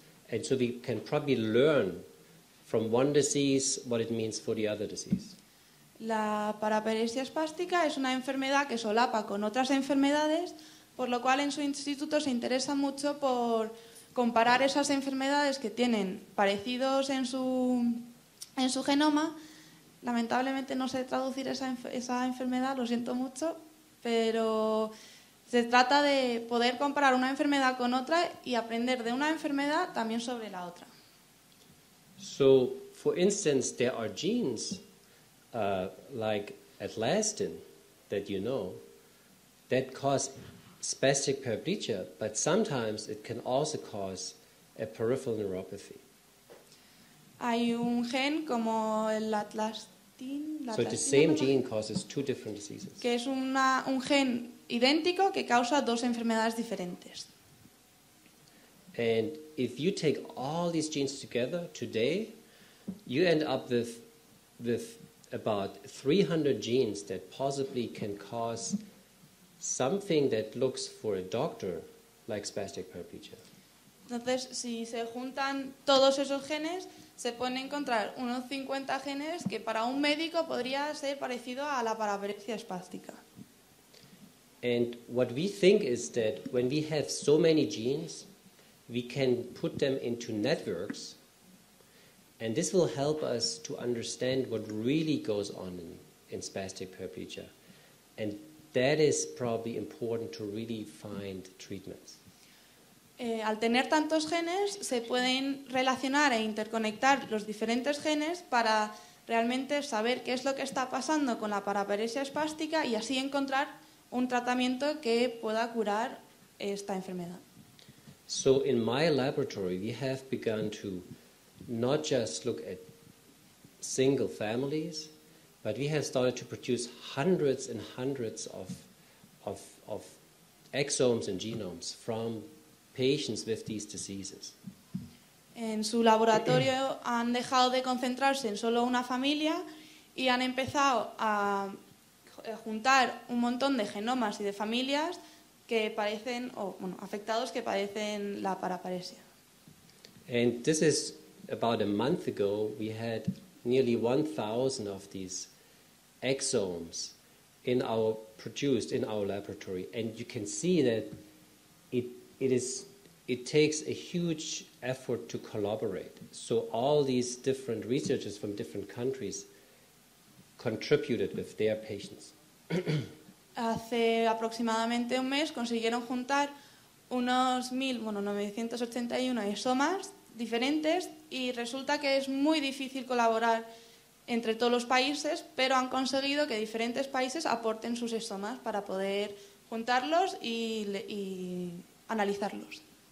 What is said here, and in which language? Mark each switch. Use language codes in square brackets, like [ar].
[en] And so we can probably learn from one disease what it means for the other disease. [es] La paraplegia espástica es una enfermedad que solapa con otras enfermedades, por lo cual en su instituto se interesa mucho por comparar esas enfermedades que tienen parecidos en su genoma. Lamentablemente no sé traducir esa enfermedad, lo siento mucho, pero se trata de poder comparar una enfermedad con otra y aprender de una enfermedad también sobre la otra. [en] So, for instance, there are genes like atlastin that you know that cause spastic paraplegia, but sometimes it can also cause a peripheral neuropathy. [es] Hay un gen como el atlastin. [en] So the same gene causes two different diseases. [es] Que es un gen idéntico que causa dos enfermedades diferentes. [en] And if you take all these genes together today, you end up with about 300 genes that possibly can cause something that looks for a doctor like spastic paraplegia. [es] Entonces, si se juntan todos esos genes, se pueden encontrar unos 50 genes que para un médico podría ser parecido a la paraplegia espástica. [en] And what we think is that when we have so many genes, we can put them into networks, and this will help us to understand what really goes on in spastic paraplegia. And that is probably important to really find treatments. [es] Al tener tantos genes, se pueden relacionar e interconectar los diferentes genes para realmente saber qué es lo que está pasando con la paraplegia espástica y así encontrar un tratamiento que pueda curar esta enfermedad. [en] So in my laboratory, we have begun to not just look at single families, but we have started to produce hundreds and hundreds of exomes and genomes from patients with these diseases. [es] En su laboratorio han dejado de concentrarse en solo una familia y han empezado a juntar un montón de genomas y de familias que padecen, o bueno, afectados que padecen la paraparesia. [en] And this is about a month ago, we had nearly 1,000 of these exomes produced in our laboratory, and you can see that it takes a huge effort to collaborate. So all these different researchers from different countries contributed with their patients. [es] Hace aproximadamente un mes consiguieron juntar unos 1,981 exomas diferentes y resulta que es muy difícil colaborar entre todos los países, pero han conseguido que diferentes países aporten sus exomas para poder juntarlos y analizarlos.